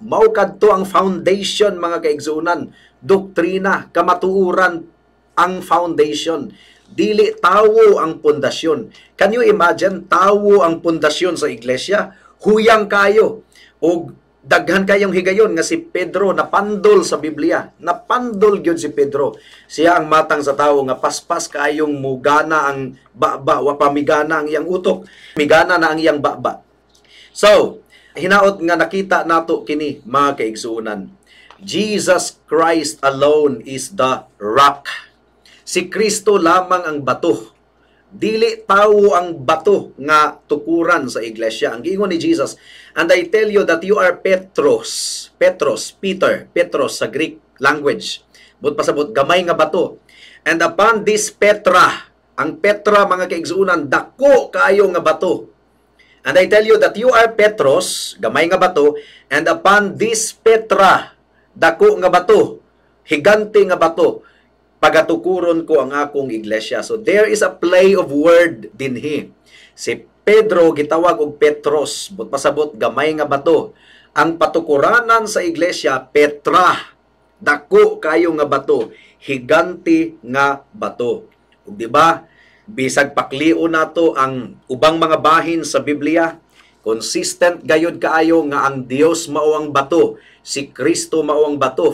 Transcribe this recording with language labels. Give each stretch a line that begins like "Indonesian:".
Cebuano: Maukad to ang foundation, mga kaigsoonan. Doktrina, kamatuuran ang foundation. Dili tawo ang pundasyon.
English: Can you imagine,
Cebuano: tawo ang pundasyon sa iglesia? Huyang kayo. O daghan kayong higayon nga si Pedro, napandol sa Biblia. Napandol yun si Pedro. Siya ang matang sa tao nga paspas kayong mugana ang ba-ba, wapamigana ang iyang utok. Migana na ang iyang ba-ba. So, hinaot nga nakita nato kini, mga kaigsoonan.
English: Jesus Christ alone is the rock.
Cebuano: Si Kristo lamang ang bato. Dili tao ang bato nga tukuran sa iglesia. Ang giingon ni Jesus,
English: and I tell you that you are Petros sa Greek language.
Cebuano: But pasabot, gamay nga bato.
English: And upon this Petra,
Cebuano: ang Petra, mga kaigsoonan, dako kayo nga bato.
English: And I tell you that you are Petros,
Cebuano: gamay nga bato,
English: and upon this Petra,
Cebuano: dako nga bato, higante nga bato, pagatukuron ko ang akong iglesia.
English: So there is a play of word
Cebuano: dinhi. Si Pedro gitawag og Petros, but pasabot gamay nga bato. Ang patukuranan sa iglesia, Petra, dako kayo nga bato, higante nga bato. Ug di ba? Bisag pakliw nato ang ubang mga bahin sa Biblia, consistent gayud kaayo nga ang Dios mao ang bato, si Kristo mao ang bato.